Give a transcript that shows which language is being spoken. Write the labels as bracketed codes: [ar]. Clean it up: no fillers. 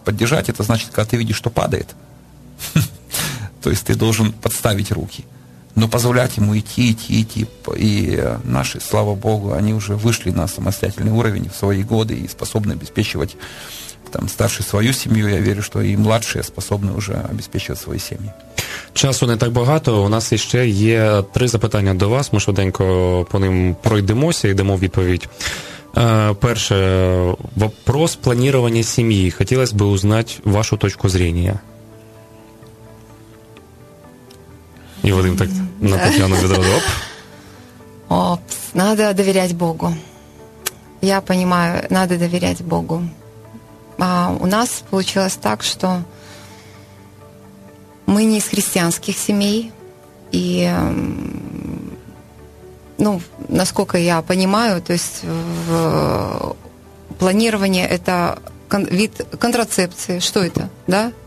[ru] Поддержать – это значит, когда ты видишь, что падает. То есть ты должен подставить руки. Но позволять ему идти, идти, идти. И наши, слава Богу, они уже вышли на самостоятельный уровень в свои годы и способны обеспечивать там старшую свою семью. Я верю, что и младшие способны уже обеспечивать свои семьи. [uk] Часу не так багато, у нас ще є три запитання до вас, ми швиденько по ним пройдемося і дамо відповідь. Перше, вопрос планування сім'ї. Хотілося б узнати вашу точку зрення. И Вадим так на Тетяну відразу. Оп. [ru] Опс, надо доверять Богу. Я понимаю, надо доверять Богу. А у нас получилось так, что мы не из христианских семей. И, ну, насколько я понимаю, то есть в планировании это вид контрацепции. Что это, да?